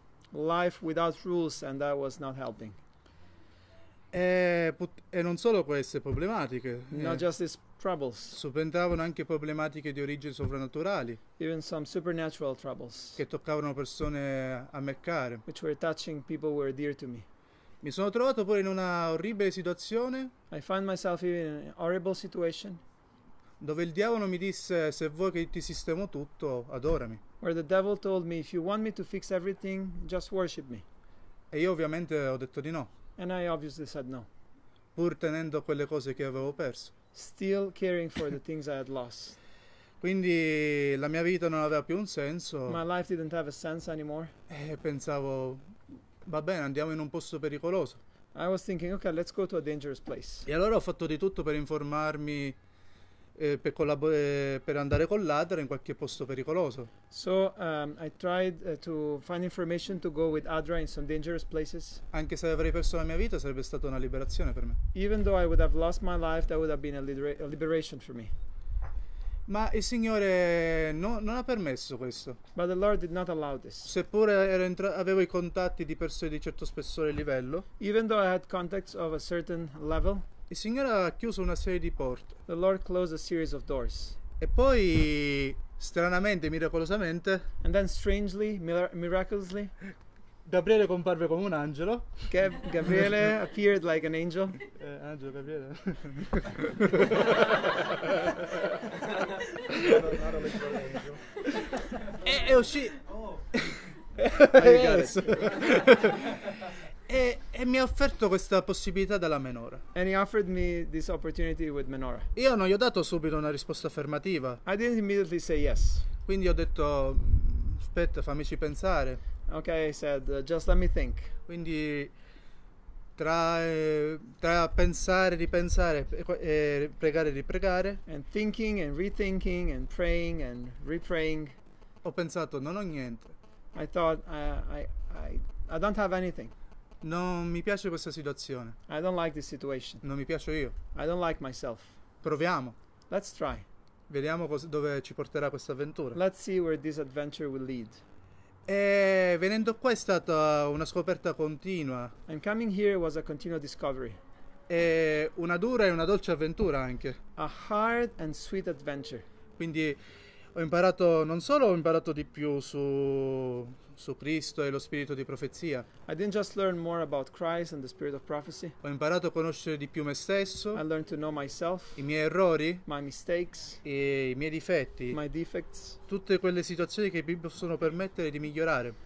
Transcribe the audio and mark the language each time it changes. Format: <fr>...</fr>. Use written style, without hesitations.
<en>Life without rules, and that was not helping.</en> <it>E non solo queste problematiche.</it> <en>Not just these troubles.</en> <it>Subentravano anche problematiche di origine sovrannaturali.</it> <en>Even some supernatural troubles.</en> <it>Che toccavano persone a me care.</it> <en>Which were touching people who were dear to me.</en> <it>Mi sono trovato pure in una orribile situazione.</it> <en>I find myself even in an horrible situation.</en> <it>Dove il diavolo mi disse, se vuoi che ti sistemo tutto, adorami.</it> <en>Where the devil told me, if you want me to fix everything, just worship me.</en> <it>E io ovviamente ho detto di no.</it> <en>And I obviously said no.</en> <it>Pur tenendo quelle cose che avevo perso.</it> <en>Still caring for the things I had lost.</en> <it>Quindi la mia vita non aveva più un senso.</it> <en>My life didn't have a sense anymore.</en> <it>E pensavo, va bene, andiamo in un posto pericoloso.</it> <en>I was thinking, okay, let's go to a dangerous place.</en> <it>E allora ho fatto di tutto per informarmi. Per andare col ladro in qualche posto pericoloso.</it> <en>So I tried to find information to go with Adra in some dangerous places.</en> <it>Anche se avrei perso la mia vita sarebbe stata una liberazione per me.</it> <en>Even though I would have lost my life, that would have been a liberation for me.</en> <it>Ma il Signore non ha permesso questo.</it> <en>But the Lord did not allow this.</en> <it>Seppure avevo i contatti di persone di certo spessore e livello.</it> <en>Even though I had contacts of a certain level.</en> <it>Il Signore ha chiuso una serie di porte.</it> <en>The Lord closed a series of doors.</en> <it>E poi, stranamente, miracolosamente.</it> <en>And then strangely, miraculously.</en> <it>Gabriele comparve come un angelo.</it> <en>Gabriele appeared like an angel.</en> <it>Angelo Gabriele. E uscì. E mi ha offerto questa possibilità della menora.</it> <en>And he offered me this opportunity with menorah.</en> <it>Io non gli ho dato subito una risposta affermativa.</it> <en>I didn't immediately say yes.</en> <it>Quindi ho detto, aspetta, fammici pensare.</it> <en>Ok, I said, just let me think.</en> <it>Quindi tra pensare, ripensare e pregare, ripregare.</it> <en>And thinking and rethinking and praying and repraying.</en> <it>Ho pensato, non ho niente.</it> <en>I thought, I don't have anything.</en> <it>Non mi piace questa situazione.</it> <en>I don't like this situation.</en> <it>Non mi piace io.</it> <en>I don't like myself.</en> <it>Proviamo.</it> <en>Let's try.</en> <it>Vediamo dove ci porterà questa avventura.</it> <en>Let's see where this adventure will lead.</en> <it>E venendo qua è stata una scoperta continua.</it> <en>And coming here was a continual discovery.</en> <it>E una dura e una dolce avventura anche.</it> <en>A hard and sweet adventure.</en> <it>Quindi ho imparato, non solo ho imparato di più su Cristo e lo spirito di profezia.</it> <en>I didn't just learn more about Christ and the spirit of prophecy.</en> <it>Ho imparato a conoscere di più me stesso.</it> <en>I learned to know myself.</en> <it>I miei errori.</it> <en>My mistakes.</en> <it>E i miei difetti.</it> <en>My defects.</en> <it>Tutte quelle situazioni che mi possono permettere di migliorare.</it>